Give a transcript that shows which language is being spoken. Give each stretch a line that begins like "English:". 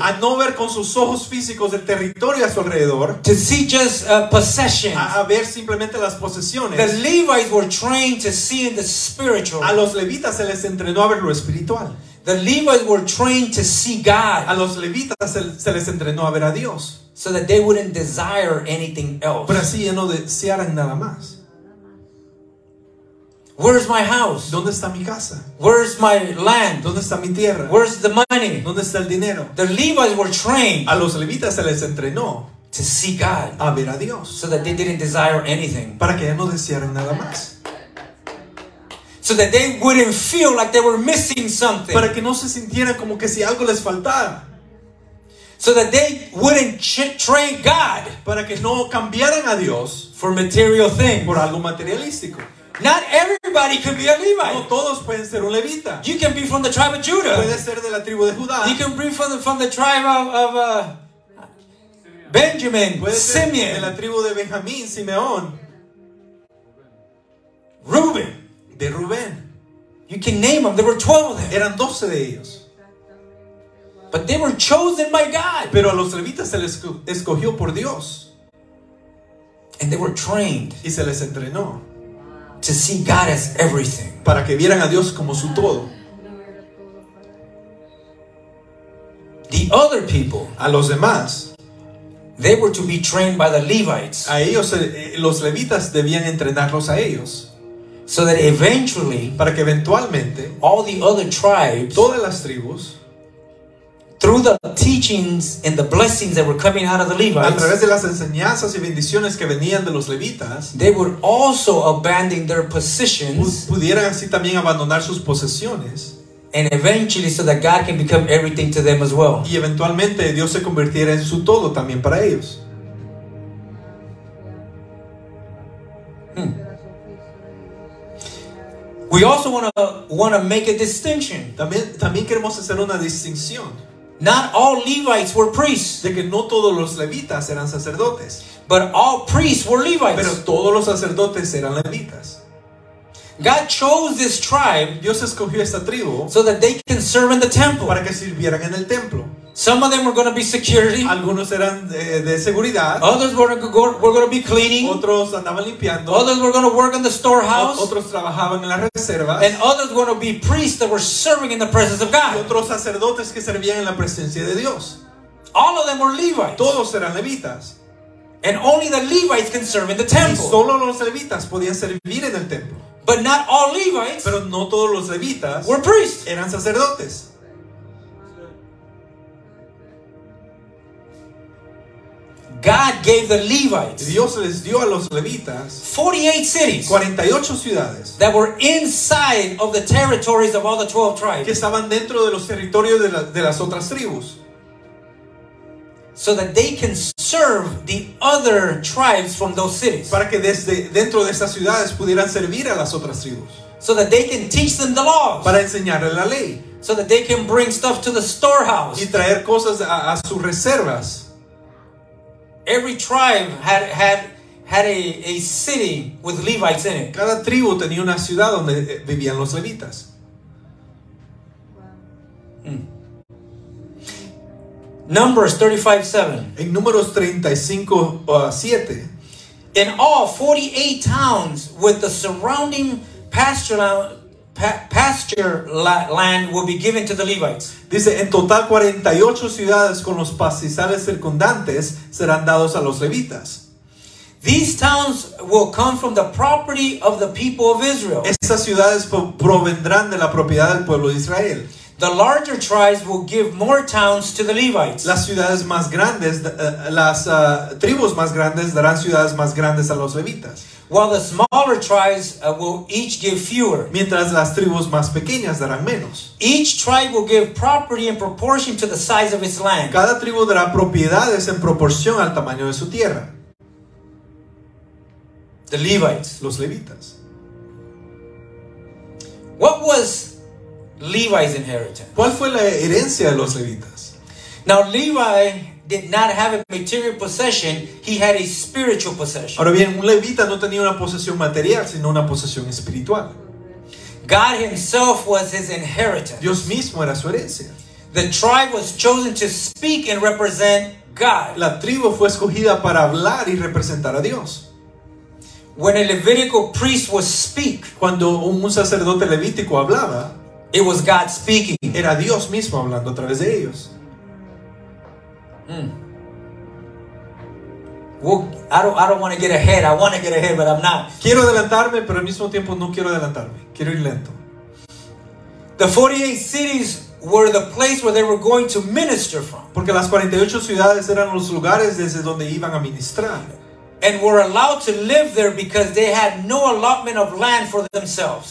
Spanish: A no ver con sus ojos físicos el territorio a su alrededor.
English: To see just possessions.
Spanish: A ver simplemente las posesiones.
English: The Levites were trained to see in the spiritual.
Spanish: A los levitas se les entrenó a ver lo espiritual.
English: The Levites were trained to see God.
Spanish: A los levitas se les entrenó a ver a Dios.
English: So that they wouldn't desire anything else.
Spanish: Pero así ya no desearan nada más.
English: Where's my house?
Spanish: ¿Dónde está mi casa?
English: Where's my land?
Spanish: ¿Dónde está mi tierra?
English: Where's the money?
Spanish: ¿Dónde está el dinero?
English: The Levites were trained.
Spanish: A los levitas se les entrenó.
English: To see God.
Spanish: A ver a Dios.
English: So that they didn't desire anything.
Spanish: Para que ellos no desearan nada más.
English: So that they wouldn't feel like they were missing something.
Spanish: Para que no se sintieran como que si algo les faltara.
English: So that they wouldn't train God.
Spanish: Para que no cambiaran a Dios.
English: For material things.
Spanish: Por algo materialístico.
English: Not everybody can be a Levite.
Spanish: No todos pueden ser un levita.
English: You can be from the tribe of Judah.
Spanish: Puedes ser de la tribu de Judá.
English: You can be from the tribe of Benjamin, Simeon.
Spanish: De la tribu de Benjamín, Simeón.
English: Reuben.
Spanish: De Rubén.
English: You can name them. There were 12 of them.
Spanish: Eran 12 de ellos.
English: But they were chosen by God.
Spanish: Pero a los levitas se les escogió por Dios.
English: And they were trained.
Spanish: Y se les entrenó.
English: To see God as everything.
Spanish: Para que vieran a Dios como su todo.
English: The other people.
Spanish: A los demás.
English: They were to be trained by the Levites.
Spanish: A ellos, los levitas debían entrenarlos a ellos.
English: So that eventually,
Spanish: para que eventualmente,
English: all the other tribes,
Spanish: todas las tribus,
English: through the teachings and the blessings that were coming out of the Levites,
Spanish: a través de las enseñanzas y bendiciones que venían de los levitas,
English: they would also abandon their positions,
Spanish: pudieran así también abandonar sus posesiones,
English: and eventually so that God can become everything to them as well.
Spanish: Y eventualmente Dios se convirtiera en su todo también para ellos.
English: We also want to make a distinction.
Spanish: También queremos hacer una distinción.
English: Not all Levites were priests.
Spanish: De que no todos los levitas eran sacerdotes.
English: But all priests were Levites.
Spanish: Pero todos los sacerdotes eran levitas.
English: God chose this tribe.
Spanish: Dios escogió esta tribu.
English: So that they can serve in the temple.
Spanish: Para que sirvieran en el templo.
English: Some of them were going to be security.
Spanish: Algunos eran de seguridad.
English: Others were going to be cleaning.
Spanish: Otros andaban limpiando.
English: Others were going to work in the storehouse.
Spanish: Otros trabajaban en las reservas.
English: And others were going to be priests that were serving in the presence of God.
Spanish: Y otros sacerdotes que servían en la presencia de Dios.
English: All of them were Levites.
Spanish: Todos eran levitas.
English: And only the Levites can serve in the temple.
Spanish: Y solo los levitas podían servir en el templo.
English: But not all Levites.
Spanish: Pero no todos los levitas
English: were priests.
Spanish: Eran sacerdotes.
English: God gave the Levites.
Spanish: Dios les dio a los levitas
English: 48 cities.
Spanish: 48 ciudades.
English: That were inside of the territories of all the 12 tribes.
Spanish: Que estaban dentro de los territorios de las otras tribus.
English: So that they can serve the other tribes from those cities.
Spanish: Para que desde dentro de esas ciudades pudieran servir a las otras tribus.
English: So that they can teach them the laws.
Spanish: Para enseñarles la ley.
English: So that they can bring stuff to the storehouse.
Spanish: Y traer cosas a sus reservas.
English: Every tribe had a city with Levites in it.
Spanish: Cada tribu tenía una ciudad donde vivían los levitas.
English: Numbers 35:7.
Spanish: En Números 35:7.
English: In all 48 towns with the surrounding pasture land will be given to the Levites.
Spanish: Dice, en total 48 ciudades con los pastizales circundantes serán dados a los levitas.
English: These towns will come from the property of the people of Israel.
Spanish: Estas ciudades provendrán de la propiedad del pueblo de Israel.
English: The larger tribes will give more towns to the Levites.
Spanish: Las ciudades más grandes, las tribus más grandes darán ciudades más grandes a los levitas.
English: While the smaller tribes will each give fewer.
Spanish: Mientras las tribus más pequeñas darán menos.
English: Each tribe will give property in proportion to the size of its land.
Spanish: Cada tribu dará propiedades en proporción al tamaño de su tierra.
English: The Levites.
Spanish: Los levitas.
English: What was Levi's inheritance?
Spanish: ¿Cuál fue la herencia de los levitas?
English: Now Levi did not have a material possession, he had a spiritual possession.
Spanish: Ahora bien, un levita no tenía una posesión material, sino una posesión espiritual.
English: God himself was his inheritance.
Spanish: Dios mismo era su herencia.
English: The tribe was chosen to speak and represent God.
Spanish: La tribu fue escogida para hablar y representar a Dios.
English: When a Levitical priest would speak,
Spanish: cuando un sacerdote levítico hablaba,
English: it was God speaking.
Spanish: Era Dios mismo hablando a través de ellos.
English: I don't want to get ahead. I want to get ahead, but I'm not.
Spanish: Quiero adelantarme, pero al mismo tiempo no quiero adelantarme. Quiero ir lento.
English: The 48 cities were the place where they were going to minister from.
Spanish: Porque las 48 ciudades eran los lugares desde donde iban a ministrar.
English: And were allowed to live there because they had no allotment of land for themselves.